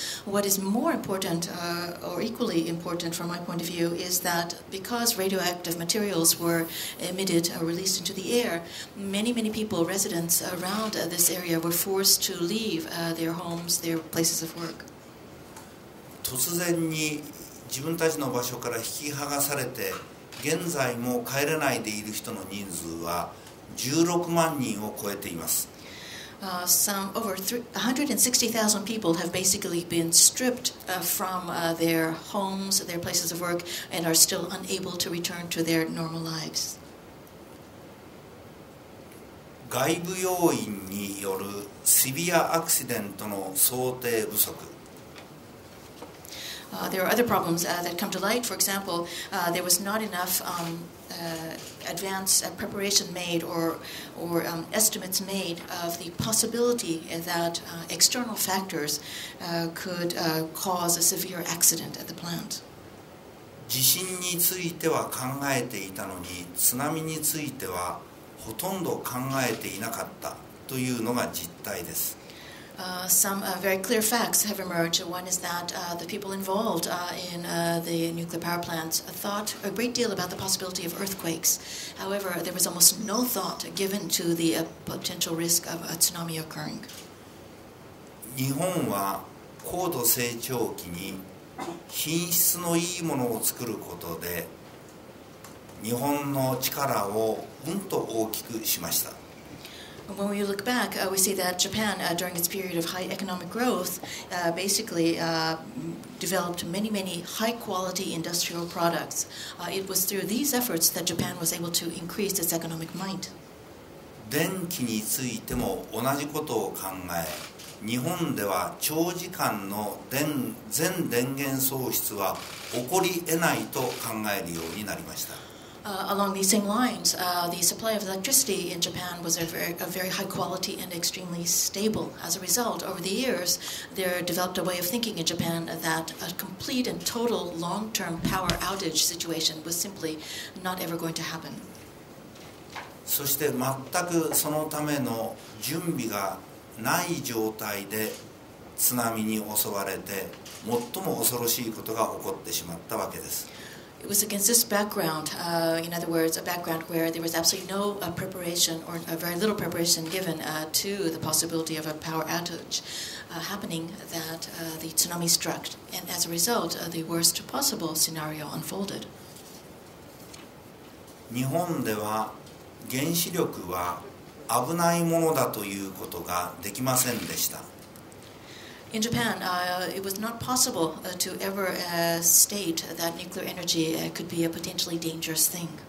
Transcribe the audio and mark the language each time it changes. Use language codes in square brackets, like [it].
[en] What is more important, or equally important from my point of view, is that because radioactive materials were emitted or released into the air, many, many people, residents around this area, were forced to leave their homes, their places of work. [ja] 突然に自分たちの場所から引き剥がされて現在も帰れないでいる人の人数は16万人を超えています。 [en] Some over 160,000 people have basically been stripped from their homes, their places of work, and are still unable to return to their normal lives. [ja] 外部要因によるシビアアクシデントの想定不足。 [en] There are other problems that come to light. For example, there was not enough advance preparation made or estimates made of the possibility that external factors could cause a severe accident at the plant. [ja] 地震については考えていたのに、津波についてはほとんど考えていなかったというのが実態です。 [en] Some very clear facts have emerged. One is that the people involved in the nuclear power plants thought a great deal about the possibility of earthquakes. However, there was almost no thought given to the potential risk of a tsunami occurring. [ja] 日本は高度成長期に品質のいいものを作ることで日本の力をうんと大きくしました。 [en] When we look back, we see that Japan, during its period of high economic growth, basically developed many, many high-quality industrial products. It was through these efforts that Japan was able to increase its economic might. [ja] 電気についても同じことを考え、日本では長時間の全電源喪失は起こり得ないと考えるようになりました。 [en] Along these same lines, the supply of electricity in Japan was a very high quality and extremely stable. As a result, over the years, there developed a way of thinking in Japan that a complete and total long-term power outage situation was simply not ever going to happen. [ja] そして全くそのための準備がない状態で津波に襲われて、最も恐ろしいことが起こってしまったわけです。 [en] It was against this background, in other words, a background where there was absolutely no preparation or a very little preparation given to the possibility of a power outage happening that the tsunami struck. And as a result, the worst possible scenario unfolded. [ja] 日本では原子力は危ないものだということができませんでした。 [en] In Japan, it was not possible to ever state that nuclear energy could be a potentially dangerous thing.